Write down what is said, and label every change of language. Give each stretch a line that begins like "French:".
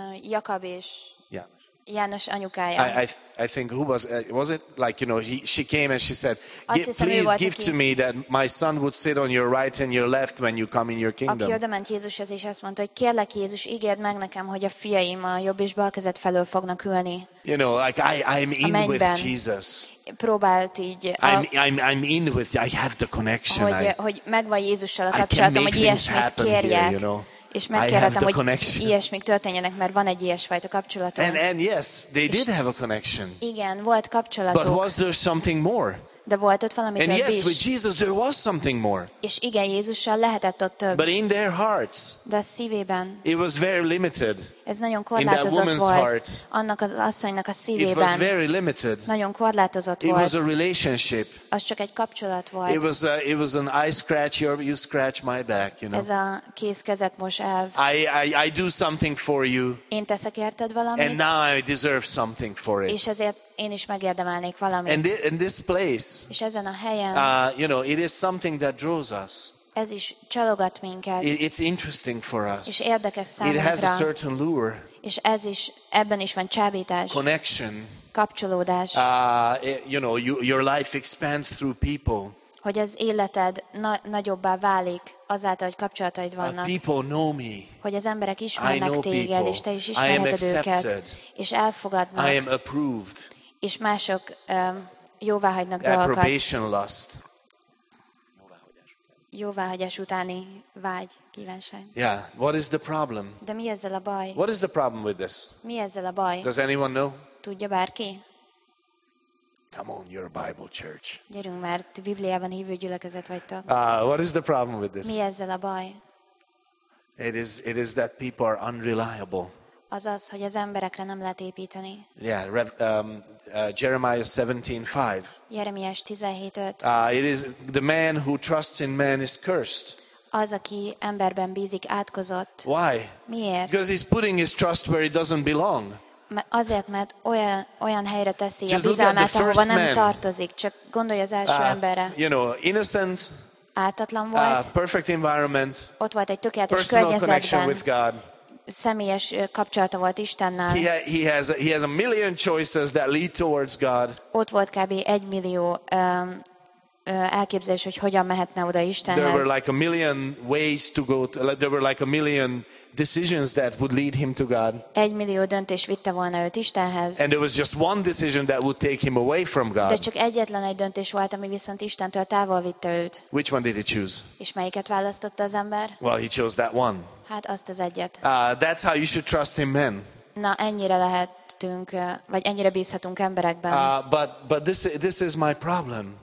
Hungarian: Jakab és János anyukája.
English: I think, who was it? Like, you know, she came and she said, please give to me that my son would sit on your right and your left when you come in your kingdom.
Hungarian: Aki odament Jézushoz, és azt mondta, hogy kérlek Jézus, ígérd meg nekem, hogy a fiaim a jobb és bal kezed felől fognak ülni.
English: You know, like, I'm in with Jesus.
Hungarian: Próbált így.
English: I'm in with, I have the connection.
Hungarian: Hogy megvan Jézussal a kapcsolatom, hogy ilyesmit kérjek. És megkérhetem, hogy ilyesmik történjenek, mert van egy ilyesfajta kapcsolatom.
English: And yes, they did have a connection.
Hungarian: Igen, volt kapcsolatuk.
English: But was there something more?
Hungarian: De volt ott valami
English: and
Hungarian: több
English: yes,
Hungarian: is.
English: And yes, with Jesus there was something more.
Hungarian: És igen, Jézussal lehetett ott több.
English: But in their hearts.
Hungarian: De a szívében.
English: It was very limited.
Hungarian: Ez nagyon korlátozott
English: in that woman's
Hungarian: volt.
English: Heart.
Hungarian: Annak az asszonynak a szívében.
English: It was very limited.
Hungarian: Nagyon korlátozott
English: it
Hungarian: volt.
English: It was a relationship.
Hungarian: Az csak egy kapcsolat volt.
English: It was an I scratch your, you scratch my back, you know.
Hungarian: Ez a kézkezet most elv.
English: I do something for you.
Hungarian: Én teszek érted valamit.
English: And now I deserve something for it.
Hungarian: És ezért én is megérdemelnék valamit.
English: And this place,
Hungarian: és ezen a helyen,
English: you know, it is something that draws us.
Hungarian: Ez is csalogat minket.
English: It's interesting for us.
Hungarian: És érdekes számunkra.
English: It has a certain lure.
Hungarian: És ez is, ebben is van csábítás.
English: Connection.
Hungarian: Kapcsolódás.
English: You know, your life expands through people.
Hungarian: Hogy az életed nagyobbá válik azáltal, hogy kapcsolataid vannak.
English: People know me.
Hungarian: Hogy az emberek ismernek téged, és te is ismerheted őket. És elfogadnak.
English: I am approved.
Hungarian: És mások jóváhagynak dolgokat.
English: Approbation lust.
Hungarian: jóváhagyás utáni vágy, kívánság.
English: Yeah, what is the problem?
Hungarian: De mi ezzel a baj?
English: What is the problem with this?
Hungarian: Mi ezzel a baj?
English: Does anyone know?
Hungarian: Tudja bárki?
English: Come on, you're a Bible church.
Hungarian: Gyerünk már, ti Bibliában hívő gyülekezet vagytok.
English: What is the problem with this?
Hungarian: Mi ezzel a baj?
English: It is that people are unreliable.
Hungarian: Azaz, hogy az emberekre nem lehet építeni.
English: Yeah, Jeremiah 17:5.
Hungarian: Jeremiás 17:5.
English: It is the man who trusts in man is cursed.
Hungarian: Az, aki emberben bízik, átkozott.
English: Why?
Hungarian: Miért?
English: Because he's putting his trust where it doesn't belong.
Hungarian: Azért, mert olyan helyre teszi a bizalmát, ahova nem tartozik. Csak gondolj az első emberre.
English: You know, innocent.
Hungarian: Átatlan volt.
English: Perfect environment.
Hungarian: Ott volt egy tökéletes környezetben.
English: Personal connection with God.
Hungarian: Személyes kapcsolata volt Istennel.
English: He has a million choices that lead towards God.
Hungarian: Ott volt kb. 1 millió elképzelés, hogy hogyan mehetne oda Istenhez.
English: There were like a million ways to go. There were like a million decisions that would lead him to God.
Hungarian: 1 millió döntés vitte volna őt Istenhez.
English: And there was just one decision that would take him away from God.
Hungarian: De csak egyetlen egy döntés volt, ami viszont Istentől távol vitte őt.
English: Which one did he choose?
Hungarian: És melyiket választotta az ember?
English: Well, he chose that one.
Hungarian: Hát azt az egyet.
English: That's how you should trust in men.
Hungarian: Na, ennyire lehetünk, vagy ennyire bízhatunk emberekben.
English: But this is my problem.